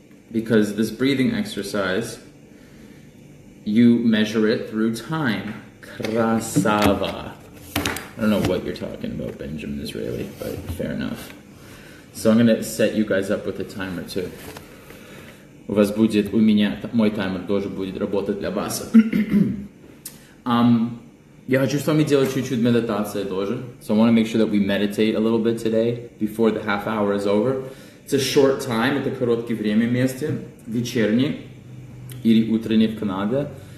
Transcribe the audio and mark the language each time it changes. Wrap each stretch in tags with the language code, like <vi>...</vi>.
<en>Because this breathing exercise, you measure it through time.</en> <ru>Красава.</ru> <en>I don't know what you're talking about, Benjamin Israeli, but fair enough. So I'm gonna set you guys up with a timer too.</en> <ru>У вас будет, у меня, мой таймер тоже будет работать для вас. Я хочу с вами делать чуть-чуть медитации тоже.</ru> <en>So I wanna make sure that we meditate a little bit today before the half hour is over. It's a short time,</en> <ru>это короткое время вместе. Вечерний или утренний в Канаде.</ru>